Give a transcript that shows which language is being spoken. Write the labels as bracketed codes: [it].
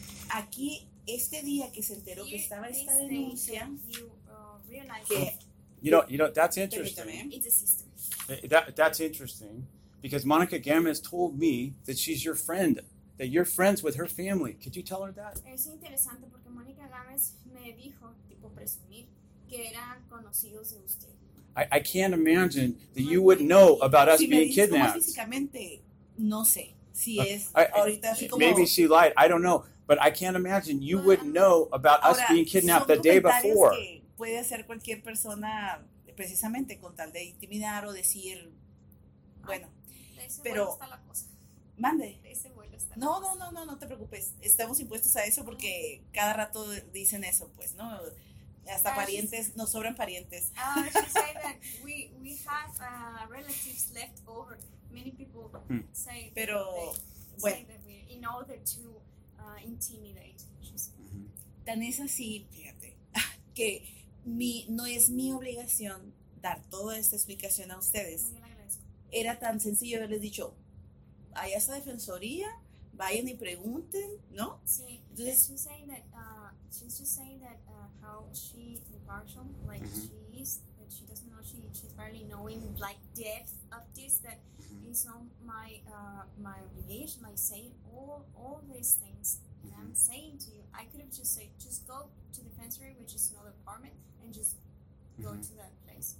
[es] Aquí, este día que se enteró que estaba esta denuncia, que... [en] You know, that's interesting. It's a system. That's interesting because Monica Gamas told me that she's your friend. That you're friends with her family. Could you tell her that? [es] Es interesante porque Mónica Gámez me dijo, tipo presumir, que eran conocidos de usted. [en] I can't imagine that you would know about us being kidnapped. [es] Físicamente, no sé si es ahorita así como. [en] Maybe she lied. I don't know. But I can't imagine you wouldn't know about us being kidnapped the day before. [es] Que puede hacer cualquier persona precisamente con tal de intimidar o decir, bueno, pero mande. No, te preocupes. Estamos impuestos a eso porque cada rato dicen eso, pues, ¿no? Hasta parientes, nos sobran parientes. [en] She said that we have relatives left over. Many people say [es] pero, [en] that, [es] bueno, [en] say that we, in order to intimidate. [es] Tan es así, fíjate, que no es mi obligación dar toda esta explicación a ustedes. No, yo la agradezco. Era tan sencillo haberles dicho, hay esa defensoría, vayan y pregunten, ¿no? Sí. Entonces, [en] she's saying that, she's just saying that how she impartial, like she is, that she doesn't know, she's barely knowing like depth of this, that it's not my my obligation, like saying all these things. And I'm saying to you, I could have just said, just go to the defensory, which is another apartment, and just go to that place.